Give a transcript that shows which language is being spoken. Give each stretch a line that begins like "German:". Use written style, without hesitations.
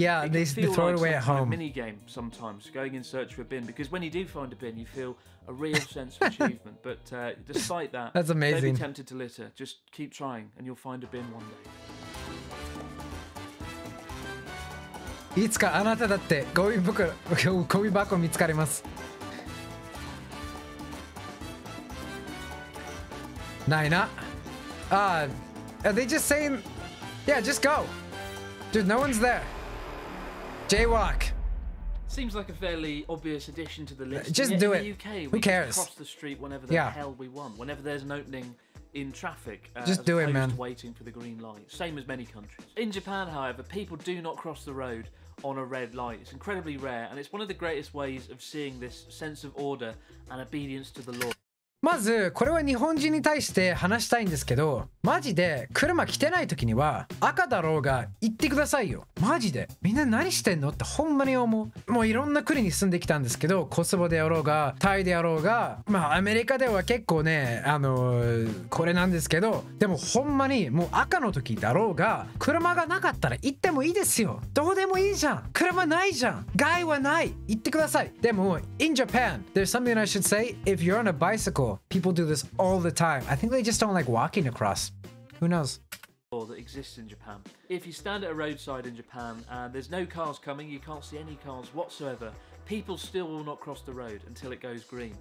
English: Yeah, they throw like it away at home. A mini game sometimes going in search for a bin because when you do find a bin you feel a real sense of achievement but despite that that's amazing. Don't be tempted to litter, just keep trying and you'll find a bin one day.
Japanese: いつかあなただってゴミ箱見つかります。ないな。
English: Are they just saying yeah just go dude, no one's there, jaywalk. Seems like a fairly obvious addition to the list. Just do it. In the UK, who cares? We cross the street whenever the hell we want. Whenever there's an opening in traffic, just do it, man. Waiting for the green light. Same as many countries. In Japan, however, people do not cross the road on a red light. It's incredibly rare, and it's one of the greatest ways of seeing this sense of order and obedience to the law.
Japanese: まずこれは日本人に対して話したいんですけど、マジで車来てない時には赤だろうが行ってくださいよ。マジでみんな何してんのってほんまに思う。もういろんな国に住んできたんですけど、コスボであろうがタイであろうが、まあアメリカでは結構ね、これなんですけど、でもほんまにもう赤の時だろうが車がなかったら行ってもいいですよ。どうでもいいじゃん、車ないじゃん、害はない、行ってください。でも
English: In Japan there's something I should say. If you're on a bicycle, people do this all the time. I think they just don't like walking across. Who knows? That exists in Japan. If you stand at a roadside in Japan and there's no cars coming, you can't see any cars whatsoever, people still will not cross the road until it goes green.